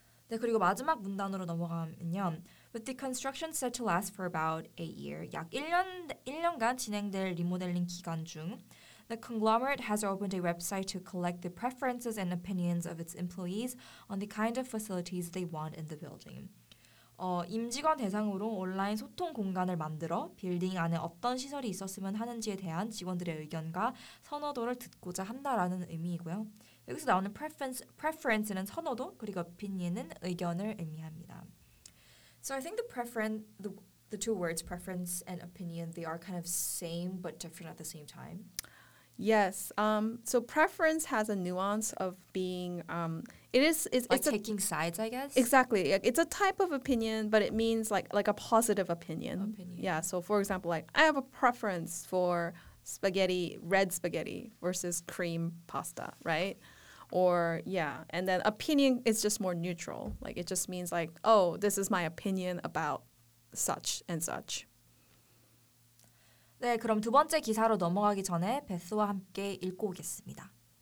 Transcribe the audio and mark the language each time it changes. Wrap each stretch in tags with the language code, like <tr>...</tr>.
<ko>네, 그리고 마지막 문단으로 넘어가면요.</ko> <en>With the construction set to last for about 8 years,</en> <ko>약 1년간 진행될 리모델링 기간 중,</ko> <en>the conglomerate has opened a website to collect the preferences and opinions of its employees on the kind of facilities they want in the building.</en> <ko>임직원 대상으로 온라인 소통 공간을 만들어 빌딩 안에 어떤 시설이 있었으면 하는지에 대한 직원들의 의견과 선호도를 듣고자 한다라는 의미이고요. 여기서 나오는 preference는 선호도, 그리고 opinion은 의견을 의미합니다.</ko> <en>So I think the two words, preference and opinion, they are kind of same but different at the same time. Yes. So preference has a nuance of being, taking sides, I guess. Exactly. It's a type of opinion, but it means like a positive opinion. Yeah. So for example, like I have a preference for spaghetti, red spaghetti versus cream pasta, right? Or, yeah, and then opinion is just more neutral. Like, it just means like, oh, this is my opinion about such and such.</en> <ko>네, 그럼 두 번째 기사로 넘어가기 전에 베스와 함께 읽고 오겠습니다.</ko>